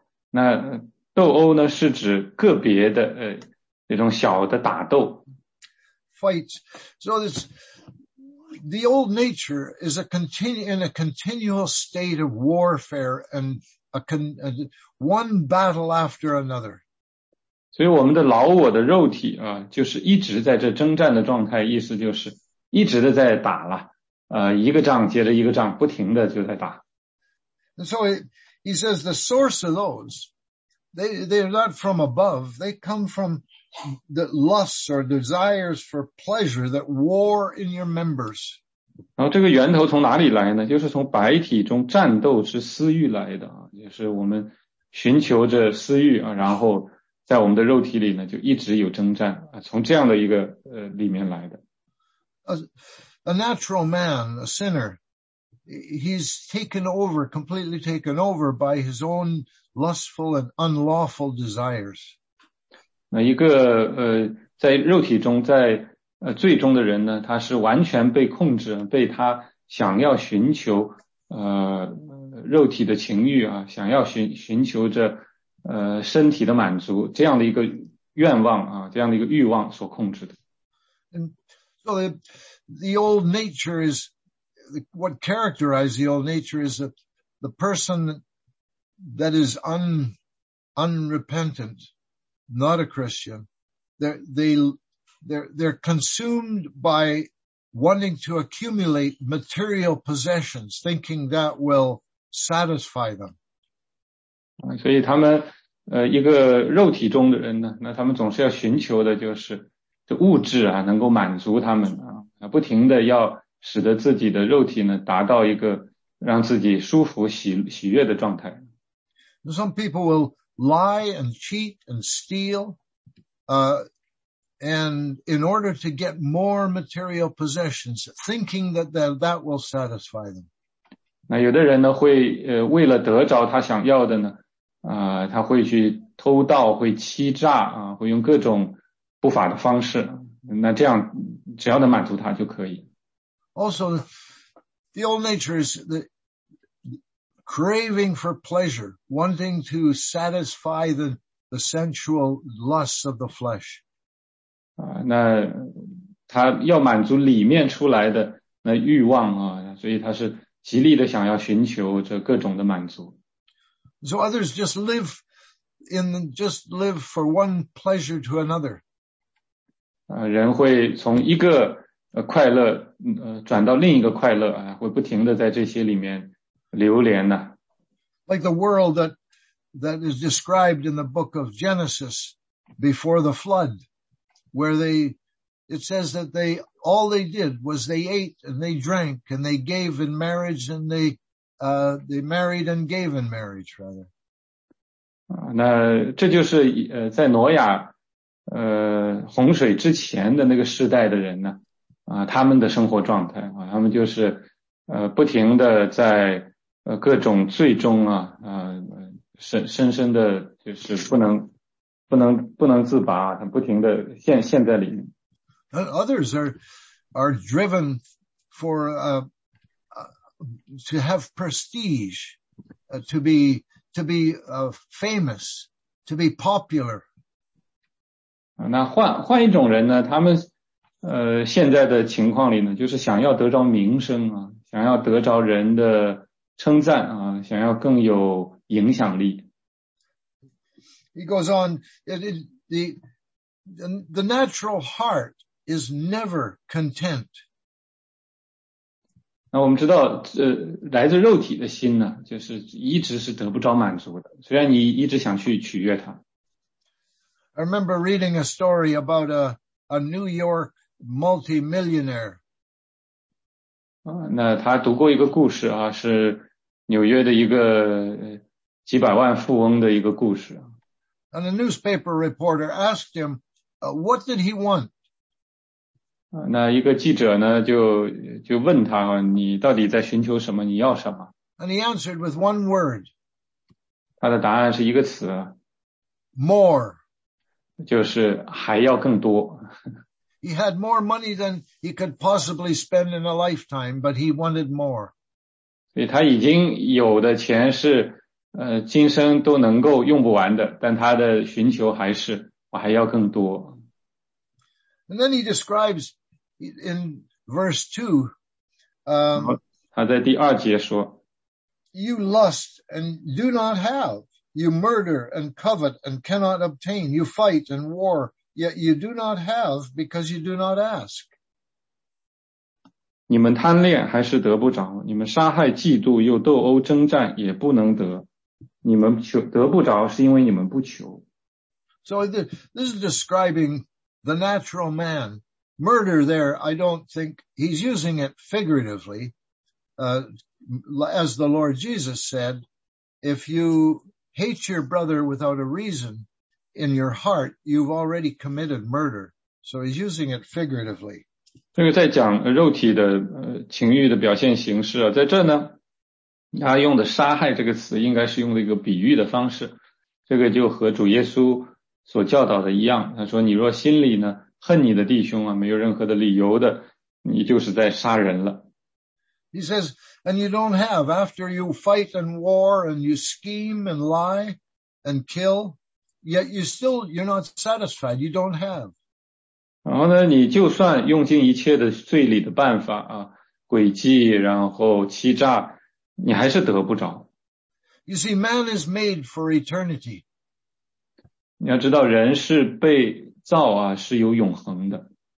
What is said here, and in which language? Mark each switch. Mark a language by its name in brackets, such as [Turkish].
[Chinese] 那斗殴呢是指个别的那种小的打斗。 [English] Fights. So it's, the old nature is a in a continual state of warfare and one battle after another. [Chinese] 所以我们的老我的肉体啊就是一直在这征战的状态，意思就是一直的在打了，一个仗接着一个仗，不停的就在打。 [English] And so he says the source of those, they're not from above, they come from the lusts or desires for pleasure that war in your members. [Chinese] 然后这个源头从哪里来呢？就是从白体中战斗之私欲来的啊，也是我们寻求着私欲啊，然后在我们的肉体里呢就一直有征战啊，从这样的一个里面来的。 [English] A natural man, a sinner, he's taken over, completely taken over by his own lustful and unlawful desires. [Chinese] 那一个在肉体中在最终的人呢，他是完全被控制，被他想要寻求肉体的情欲啊，想要寻求着身体的满足这样的一个愿望啊，这样的一个欲望所控制的。 [English] And so the old nature is what characterizes the old nature is that the person that is unrepentant, not a Christian, they're consumed by wanting to accumulate material possessions, thinking that will satisfy them. [Chinese] 所以他们一个肉体中的人呢，那他们总是要寻求的就是这物质啊能够满足他们啊，不停的要使得自己的肉体呢达到一个让自己舒服喜悦的状态。 [English] Some people will lie and cheat and steal, and in order to get more material possessions, thinking that will satisfy them. [Chinese] 那有的人呢会为了得着他想要的呢，他会去偷盗，会欺诈啊，会用各种不法的方式。那这样只要能满足他就可以。 [English] Also, the old nature is the craving for pleasure, wanting to satisfy the sensual lusts of the flesh. [Chinese] 那他要满足里面出来的那欲望啊，所以他是极力的想要寻求这各种的满足。 [English] So others just live for one pleasure to another. [Chinese] 人会从一个快乐转到另一个快乐啊，会不停的在这些里面流连呢。 [English] Like the world that is described in the book of Genesis before the flood, where it says that all they did was they ate and they drank and they gave in marriage and they married and gave in marriage rather. [Chinese] 那这就是在挪亚洪水之前的那个世代的人呢他们的生活状态啊，他们就是不停的在各种罪中啊深深的就是不能自拔，他不停的陷在里面。 [English] Others are driven for to have prestige, to be famous, to be popular. [Chinese] 那换一种人呢，他们现在的情况里呢，就是想要得着名声啊，想要得着人的称赞啊，想要更有影响力。 [English] He goes on, the natural heart is never content. [Chinese] 那我们知道来自肉体的心呢，就是一直是得不着满足的，虽然你一直想去取悦它。 [English] I remember reading a story about a New York multimillionaire. [Chinese] 那他读过一个故事啊，是纽约的一个几百万富翁的一个故事。 [English] And a newspaper reporter asked him, what did he want? [Chinese] 那一个记者呢就问他你到底在寻求什么你要什么。 [English] And he answered with one word. [Chinese] 他的答案是一个词。 [English] More. [Chinese] 就是还要更多。 [English] He had more money than he could possibly spend in a lifetime, but he wanted more. [Chinese] 所以他已经有的钱是今生都能够用不完的，但他的寻求还是我还要更多。 [English] And then he describes in verse 2, [Chinese] 他在第二节说， [English] You lust and do not have. You murder and covet and cannot obtain. You fight and war, yet you do not have because you do not ask. [Chinese] 你们贪恋还是得不着，你们杀害嫉妒又斗殴征战也不能得。你们求得不着是因为你们不求。 [English] So this is describing the natural man. Murder there, I don't think he's using it figuratively. As the Lord Jesus said, if you hate your brother without a reason in your heart, you've already committed murder. So he's using it figuratively. [Chinese] 这个在讲肉体的情欲的表现形式啊，在这呢他用的杀害这个词应该是用的一个比喻的方式，这个就和主耶稣所教导的一样，他说你若心里呢恨你的弟兄啊，没有任何的理由的，你就是在杀人了。 [English] He says, and you don't have, after you fight and war and you scheme and lie and kill, yet you're not satisfied, you don't have. [Chinese] 然后呢你就算用尽一切的罪里的办法啊，诡计然后欺诈，你还是得不着。 [English] You see, man is made for eternity. [Chinese] 你要知道人是被造啊，是有永恒的。